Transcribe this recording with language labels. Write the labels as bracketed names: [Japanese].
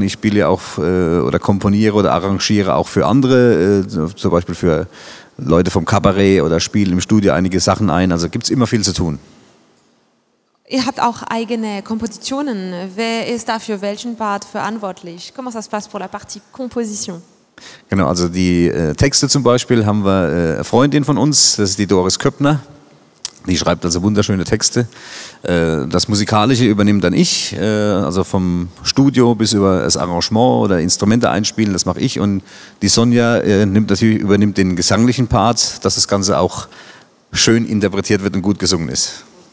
[German] Ich spiele ja auch oder komponiere oder arrangiere auch für andere, zum Beispiel für Leute vom Kabarett oder spiele im Studio einige Sachen ein. Also gibt es immer viel zu tun. Ihr habt auch eigene Kompositionen. Wer ist dafür welchen Part verantwortlich? [French] Comment ça se passe pour la partie Composition? [German] Genau, also die Texte zum Beispiel haben wir eine Freundin von uns, das ist die Doris Köppner. Die schreibt also wunderschöne Texte. Das Musikalische übernehme dann ich, also vom Studio bis über das Arrangement oder Instrumente einspielen, das mache ich. Und die Sonja übernimmt den gesanglichen Part, dass das Ganze auch schön interpretiert wird und gut gesungen ist.